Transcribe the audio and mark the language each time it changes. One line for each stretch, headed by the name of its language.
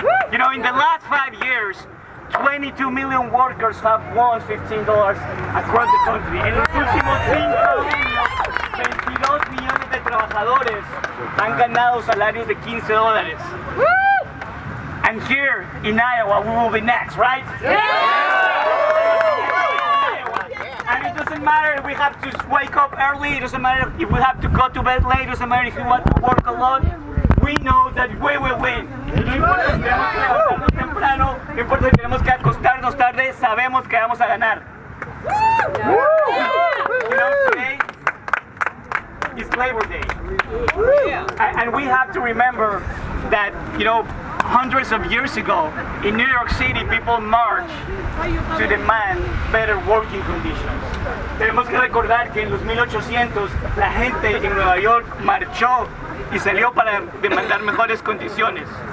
English: You know, in the last 5 years, 22 million workers have won $15 across the country.
Spanish: En los últimos 5 años, 22 millones de trabajadores han ganado salarios de $15.
English: And here in Iowa, we will be next, right? Yeah! And it doesn't matter if we have to wake up early, it doesn't matter if we have to go to bed late, it doesn't matter if we want to work a lot. We know that we will win.
Spanish: No importa si tenemos que acostarnos tarde, sabemos que vamos a ganar.
English: You know, today is Labor Day. And we have to remember that, you know, hundreds of years ago, in New York City, people marched to demand better working conditions.
Spanish: Tenemos que recordar que en los 1800, la gente en Nueva York marchó y salió para demandar mejores condiciones.